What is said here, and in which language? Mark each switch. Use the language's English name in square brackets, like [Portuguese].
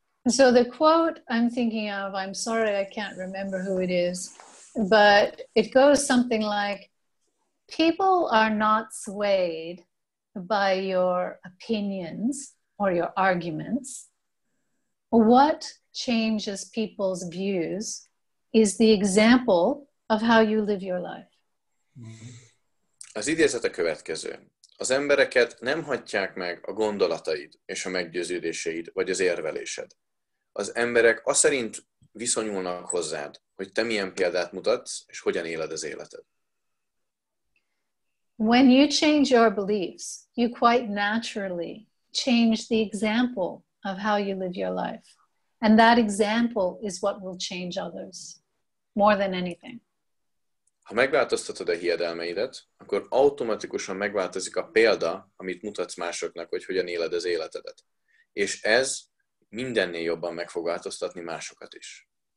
[English] So the quote I'm thinking of, I'm sorry I can't remember who it is, but it goes something like, people are not swayed by your opinions or your arguments. What changes people's views is the example of how you live your life. [Hungarian] Az idézet a következő. Az embereket nem hagyják meg a gondolataid és a meggyőződéseid, vagy az érvelésed. Az emberek aszerint viszonyulnak hozzád, hogy te milyen példát mutatsz, és hogyan éled az életed. [English] When you change your beliefs, you quite naturally change the example of how you live your life. And that example is what will change others more than anything. [Hungarian] Ha megváltoztatod a hiedelmeidet, akkor automatikusan megváltozik a példa, amit mutatsz másoknak, hogy hogyan éled az életedet. És ez mindennél jobban meg fog változtatni másokat is.